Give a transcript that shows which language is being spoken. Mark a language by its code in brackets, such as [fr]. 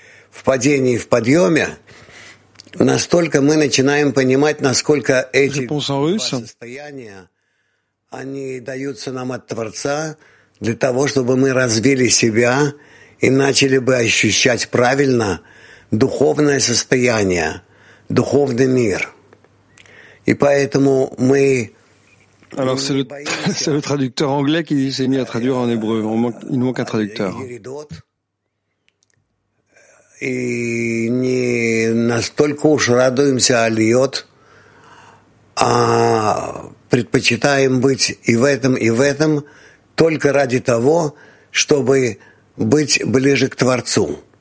[ru] В падении и в подъеме настолько мы начинаем понимать, насколько эти состояния они даются нам от Творца для того, чтобы мы развили себя и начали бы ощущать правильно духовное состояние, духовный мир. И поэтому мы... [fr] Alors, c'est le traducteur anglais qui s'est mis à traduire en hébreu. Il nous manque un traducteur. [ru] И не настолько уж радуемся Алиот, а предпочитаем быть и в этом, только ради того, чтобы быть ближе к Творцу.